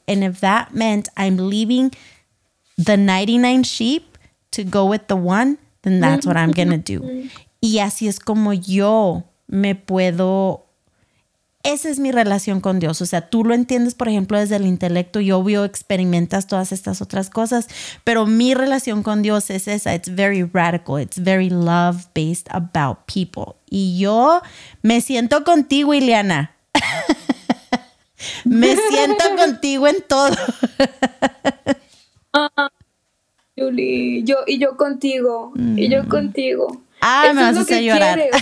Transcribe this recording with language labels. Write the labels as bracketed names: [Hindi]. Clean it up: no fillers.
[English] And if that meant I'm leaving the 99 sheep to go with the one, then that's what I'm going to do. [Spanish] Y así es como yo me puedo... Esa es mi relación con Dios. O sea, tú lo entiendes, por ejemplo, desde el intelecto y obvio experimentas todas estas otras cosas, pero mi relación con Dios es esa. [English] It's very radical. It's very love-based about people. [Spanish] Y yo me siento contigo, Iliana. Me siento contigo en todo. Juli, yo contigo. Y yo contigo. Ah, eso me vas a hacer llorar.